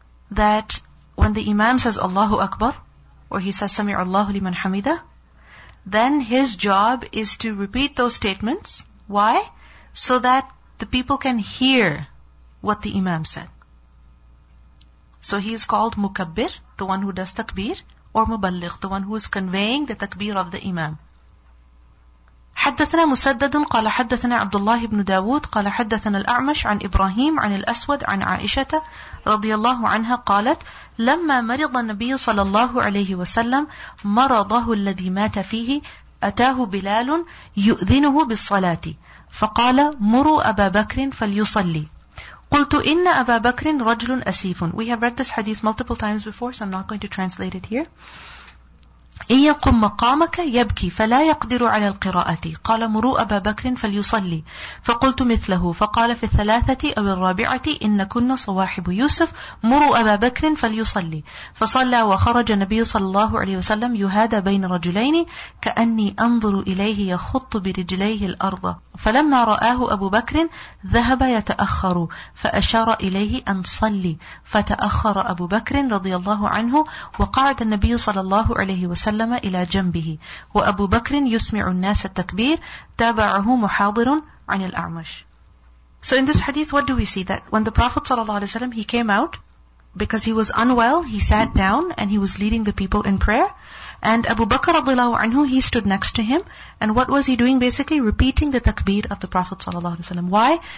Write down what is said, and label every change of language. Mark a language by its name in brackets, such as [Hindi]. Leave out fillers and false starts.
[English] That when the imam says Allahu Akbar, or he says Sami'a Allahu liman hamida, then his job is to repeat those statements. Why? So that the people can hear what the imam said. So he is called mukabbir, the one who does takbir, or muballigh, the one who is conveying the takbir of the imam. [Arabic] حدثنا مسدد قال حدثنا عبد الله بن داود قال حدثنا الأعمش عن إبراهيم عن الأسود عن عائشة رضي الله عنها قالت لما مرض النبي صلى الله عليه وسلم مرضه الذي مات فيه أتاه بلال يؤذنه بالصلاة فقال مروا أبا بكر فليصلي. قلت إن أبا بكر رجل أسيف. [English] We have read this hadith multiple times before, so I'm not going to translate it here. [Arabic] إن يقم مقامك يبكي فلا يقدر على القراءة قال مروا أبا بكر فليصلي فقلت مثله فقال في الثلاثة أو الرابعة إن كنا صواحب يوسف مروا أبا بكر فليصلي فصلى وخرج النبي صلى الله عليه وسلم يهادى بين رجلين كأني أنظر إليه يخط برجليه الأرض فلما رآه أبو بكر ذهب يتأخر فأشار إليه أن صلي فتأخر أبو بكر رضي الله عنه وقعد النبي صلى الله عليه وسلم وسلم إلى جنبه وأبو بكر يسمع الناس التكبير تابعه محاضر عن الأعمش. [English] So in this hadith, what do we see? That when the Prophet sallallahu alaihi wasallam, he came out because he was unwell, he sat down and he was leading the people in prayer. And Abu Bakr radiallahu anhu, he stood next to him. And what was he doing? Basically repeating the takbir of the Prophet sallallahu alaihi wasallam. Why?